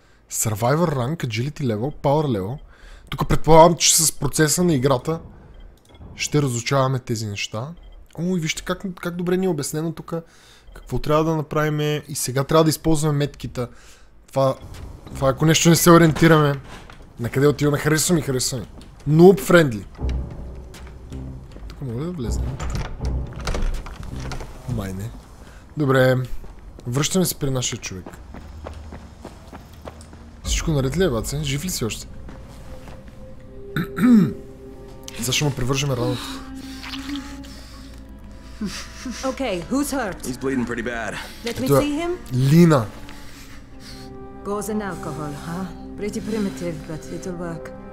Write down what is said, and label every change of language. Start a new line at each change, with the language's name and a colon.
English: Survivor rank, agility level, power level.
Bulgarian: Тук предполагам, че с процеса на играта ще разучаваме тези неща. О, и вижте как, как добре ни е обяснено тук. Какво трябва да направим и сега трябва да използваме меткита. Това, това ако нещо не се ориентираме. На къде отиваме? Харесва ми, харесва ми.
English: Noob friendly.
Bulgarian: Тук мога ли да влезем? Май не. Добре. Връщаме се при нашия човек. Всичко наред ли е, баце? Жив ли си още? Защо му превържаме раното?
English: Okay, who's hurt? He's bleeding pretty bad. Let me see him. Lina. Gauze and alcohol, huh? Pretty primitive, but it'll work.